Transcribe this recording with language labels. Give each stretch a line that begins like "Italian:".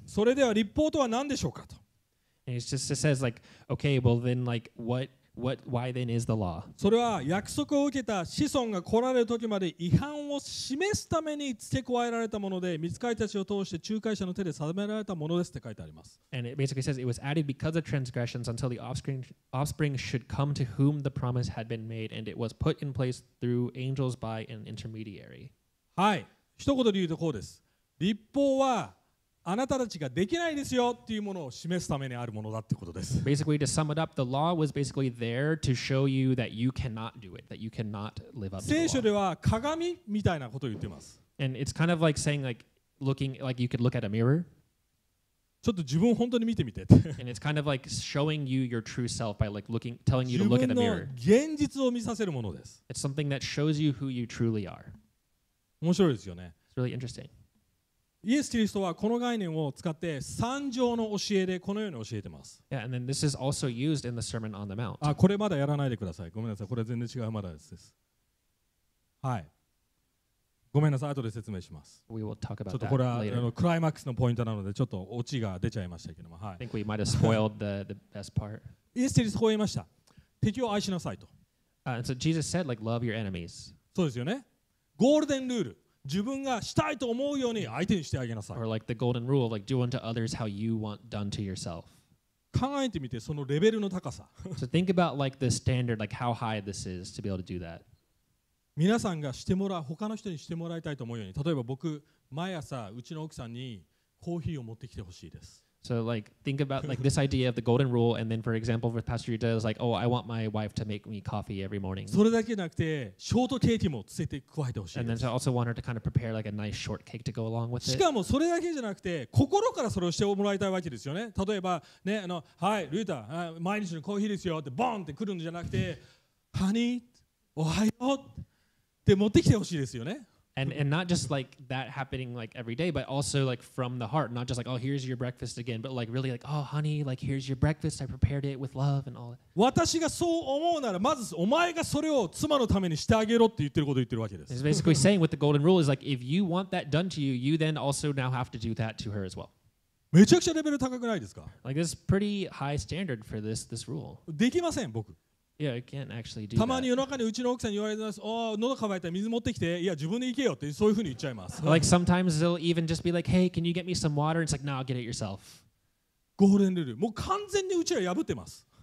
Japanese: それでは律法とは何でしょうかと。
English: And it just says like, okay, well then like, what, why then is the law?
Japanese: それは約束を受けた子孫が来られる時まで違反を示すために付け加えられたもので、御使いたちを通して仲介者の手で定められたものですって書いてあります。
English: And it basically says it was added because of transgressions until the offspring should come to whom the promise had been made, and it was put in place through angels by an intermediary.
Japanese: はい、一言で言うとこうです。律法はあなたたちができないですよっていうものを示すためにあるものだってことです。
English: Basically, to sum it up, the law was basically there to show you that you cannot do it, that you cannot live up to the law.
Japanese: 聖書では鏡みたいなことを言ってます。
English: And it's kind of like saying like, looking, like you could look at a mirror.
Japanese: ちょっと自分を本当に見てみて。
English: And it's kind of like showing you your true self by like looking, telling you to look at the mirror.
Japanese: 自分の現実を見させるものです。
English: It's something that shows you who you truly are.
Japanese: 面白いですよね。
English: It's really interesting.
Japanese: イエス・キリストはこの概念を使って三条の教えでこのように教えてます。
English: Yeah, and then this is also used in the Sermon on the Mount.
Japanese: あ、これまだやらないでください。ごめんなさい。これ全然違うまだです。はい。ごめんなさい。後で説明します。
English: We will talk about
Japanese: ちょっとこれはクライマックスのポイントなのでちょっとオチが出ちゃいましたけども。はい、
English: I think we might have spoiled the best part.
Japanese: イエス・キリストは言いました。敵を愛しなさいと。
English: And so Jesus said, like, love your enemies.
Japanese: そうですよね。ゴールデンルール。自分がしたいと思うように相手にしてあげなさい。
English: Or like the golden rule, like do unto others how you want done to yourself.
Japanese: 考えてみてそのレベルの高さ。
English: So think about like the standard, like how high this is to be able to do that.
Japanese: 皆さんがしてもらう、他の人にしてもらいたいと思うように、例えば僕、毎朝うちの奥さんにコーヒーを持ってきてほしいです。
English: So like, think about like this idea of the golden rule, and then for example, with Pastor Yuta, it's like, oh, I want my wife to make me coffee every morning.
Japanese: それだけなくて、ショートケーキもつけて加えてほしい。
English: And then I also want her to kind of prepare like a nice short cake to go along with it.
Japanese: しかもそれだけじゃなくて、心からそれをしてもらいたいわけですよね。例えばね、あの、はい、ルータ、毎日のコーヒーですよってボンって来るんじゃなくて、ハニー、おはようって持ってきてほしいですよね。
English: And not just like that happening like every day, but also like from the heart, not just like, oh, here's your breakfast again, but like really like, oh, honey, like here's your breakfast. I prepared it with love and all that.
Japanese: 私がそう思うなら、まずお前がそれを妻のためにしてあげろって言ってることを言ってるわけです。
English: It's basically saying with the golden rule is like, if you want that done to you, you then also now have to do that to her as well.
Japanese: めちゃくちゃレベル高くないですか?
English: Like this is pretty high standard for this rule.
Japanese: できません、僕。
English: Yeah, I can't actually do
Japanese: たまに夜中にうちの奥さんに言われてます。おお、喉乾いたら水持ってきて。いや、自分で行けよってそういうふうに言っちゃいます。
English: Like sometimes they'll even just be like, "Hey, can you get me some water?" It's like, "No, I'll get it yourself."
Japanese: ゴールデンルール、もう完全にうちは破ってます。